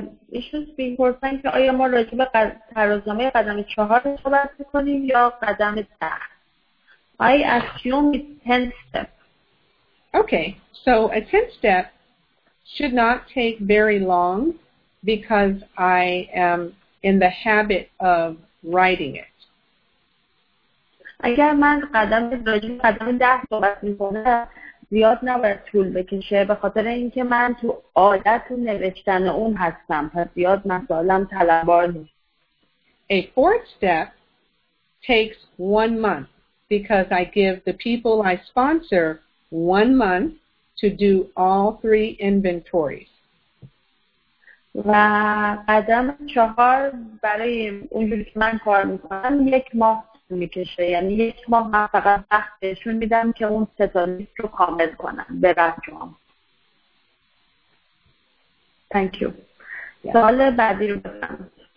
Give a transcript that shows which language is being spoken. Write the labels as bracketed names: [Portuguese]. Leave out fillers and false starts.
[Persian] ایشون می‌پرسن که آیا ما راجع به ترازنامه قدم 4 صحبت می‌کنیم یا قدم 10؟ [English] I assume it's 10th step. Okay, so a 10th step should not take very long because I am in the habit of writing it. [Persian] اگر من قدم راجع به قدم 10 صحبت می‌کنم زیاد نباید طول بکشه به خاطر اینکه من تو عادت و نوشتن اون هستم، پس زیاد مسائلم طلبوار نیست. [English] A fourth step takes 1 month because I give the people I sponsor 1 month to do all 3 inventories. [Persian] و قدم 4 برای اونجوری که من کار میکنم 1 ماه میکشه، یعنی 1 ماه من فقط وقت بهشون میدم که اون ستا لیست رو کامل کنم به بچه‌هام. [English] Thank you. [Persian] سوال بعدی رو بزنم.